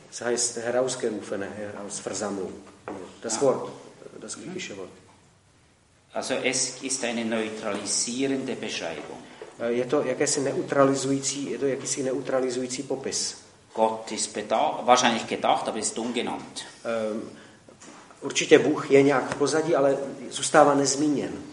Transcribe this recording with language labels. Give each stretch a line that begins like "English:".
German: Es heißt herausgerufene, herausversammlung. Das Wort, das griechische Wort. Also es ist eine neutralisierende Beschreibung.
Czech: Je to jakési neutralizující, je to jakýsi neutralizující popis.
German: Gott ist bedacht, wahrscheinlich gedacht, aber ist ungenannt.
Czech: Určitě Bůh je nějak v pozadí, ale zůstává nezmíněn.